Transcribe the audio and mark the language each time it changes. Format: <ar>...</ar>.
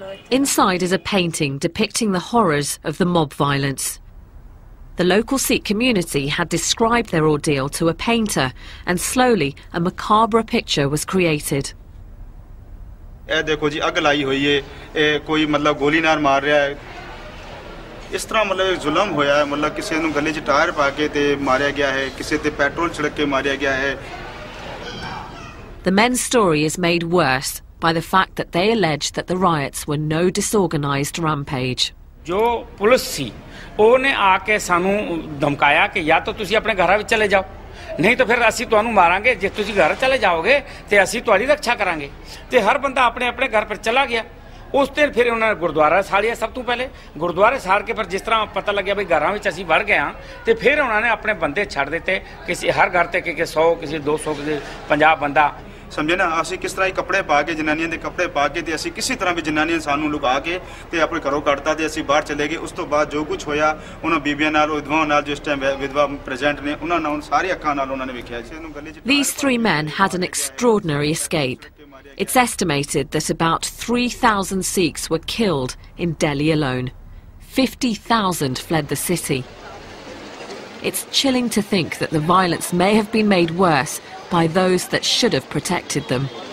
<en>Inside is a painting depicting the horrors of the mob violence. The local Sikh community had described their ordeal to a painter, and slowly a macabre picture was created. Look, there's a fire. There's no one shooting.</en> <pa>ਇਸ ਤਰ੍ਹਾਂ ਮਤਲਬ ਜ਼ੁਲਮ ਹੋਇਆ ਹੈ, ਮਤਲਬ ਕਿਸੇ ਨੂੰ ਗਲੇ 'ਚ ਟਾਇਰ ਪਾ ਕੇ ਅਤੇ ਮਾਰਿਆ ਗਿਆ ਹੈ, ਕਿਸੇ 'ਤੇ ਪੈਟਰੋਲ ਛਿੜਕ ਕੇ ਮਾਰਿਆ ਗਿਆ ਹੈ.</pa> <en>The men's story is made worse by the fact that they allege that the riots were no disorganized rampage.</en> <pa>ਜੋ ਪੁਲਿਸ ਸੀ ਉਹਨੇ ਆ ਕੇ ਸਾਨੂੰ ਧਮਕਾਇਆ ਕਿ ਜਾਂ ਤਾਂ ਤੁਸੀਂ ਆਪਣੇ ਘਰਾਂ ਵਿੱਚ ਚਲੇ ਜਾਓ, ਨਹੀਂ ਤਾਂ ਫਿਰ ਅਸੀਂ ਤੁਹਾਨੂੰ ਮਾਰਾਂਗੇ. ਜੇ ਤੁਸੀਂ ਘਰ ਚਲੇ ਜਾਓਗੇ ਤਾਂ ਅਸੀਂ ਤੁਹਾਡੀ ਰੱਖਿਆ ਕਰਾਂਗੇ. ਅਤੇ ਹਰ ਬੰਦਾ ਆਪਣੇ ਆਪਣੇ ਘਰ ਪਰ ਚਲਾ ਗਿਆ. ਉਸ 'ਤੇ ਫਿਰ ਉਹਨਾਂ ਨੇ ਗੁਰਦੁਆਰਾ ਸਾੜਿਆ. ਸਭ ਤੋਂ ਪਹਿਲੇ ਗੁਰਦੁਆਰੇ ਸਾੜ ਕੇ ਫਿਰ ਜਿਸ ਤਰ੍ਹਾਂ ਪਤਾ ਲੱਗਿਆ ਵੀ ਘਰਾਂ ਵਿੱਚ ਅਸੀਂ ਵੜ ਗਏ ਹਾਂ, ਅਤੇ ਫਿਰ ਉਹਨਾਂ ਨੇ ਆਪਣੇ ਬੰਦੇ ਛੱਡ ਦਿੱਤੇ, ਕਿਸੇ ਹਰ ਘਰ 'ਤੇ ਕਿਸੇ 100, ਕਿਸੇ 200, ਕਿਸੇ 50 ਬੰਦਾ. ਸਮਝੇ ਨਾ, ਅਸੀਂ ਕਿਸ ਤਰ੍ਹਾਂ ਕੱਪੜੇ ਪਾ ਕੇ, ਜਨਾਨੀਆਂ ਦੇ ਕੱਪੜੇ ਪਾ ਕੇ, ਅਤੇ ਅਸੀਂ ਕਿਸੇ ਤਰ੍ਹਾਂ ਵੀ ਜਨਾਨੀਆਂ ਸਾਨੂੰ ਲੁਕਾ ਕੇ ਅਤੇ ਆਪਣੇ ਘਰੋਂ ਕੱਢਤਾ ਅਤੇ ਅਸੀਂ ਬਾਹਰ ਚਲੇ ਗਏ. ਉਸ ਤੋਂ ਬਾਅਦ ਜੋ ਕੁਛ ਹੋਇਆ ਉਹਨਾਂ ਬੀਬੀਆਂ ਨਾਲ, ਵਿਧਵਾਵਾਂ ਨਾਲ, ਜਿਸ ਟਾਈਮ ਵਿਧਵਾ ਪ੍ਰੈਜੈਂਟ ਨੇ, ਉਹਨਾਂ ਨਾਲ ਸਾਰੀਆਂ ਅੱਖਾਂ ਨਾਲ ਉਹਨਾਂ ਨੇ ਵੇਖਿਆ.</pa> <en>These three men had an extraordinary escape. It's estimated that about 3,000 Sikhs were killed in Delhi alone. 50,000 fled the city. It's chilling to think that the violence may have been made worse by those that should have protected them.</en>